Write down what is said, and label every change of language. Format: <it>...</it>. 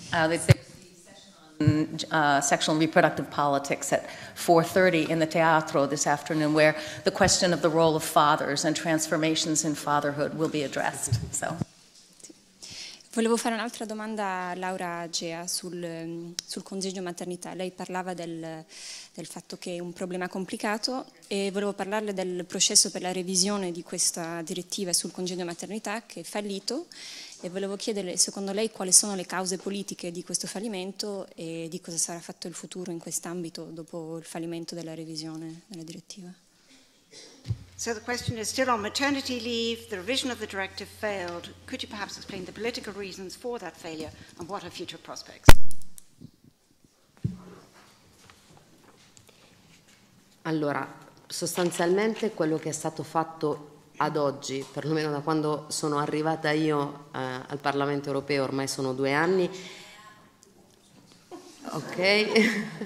<en>Sexual and Reproductive Politics at 4:30 in the teatro this afternoon, where the question of the role of fathers and transformations in fatherhood will be addressed. So.</en> <it>Volevo fare un'altra domanda a Laura Gea sul congedo maternità. Lei parlava del fatto che è un problema complicato e volevo parlarle del processo per la revisione di questa direttiva sul congedo maternità che è fallito e volevo chiederle, secondo lei, quali sono le cause politiche di questo fallimento e di cosa sarà fatto il futuro in quest'ambito dopo il fallimento della revisione della direttiva.</it> <en>So the question is still on maternity leave. The revision of the directive failed. Could you perhaps explain the political reasons for that failure and what are future prospects?</en> <it>Allora, sostanzialmente quello che è stato fatto ad oggi, perlomeno da quando sono arrivata io al Parlamento europeo, ormai sono 2 anni. Ok.</it>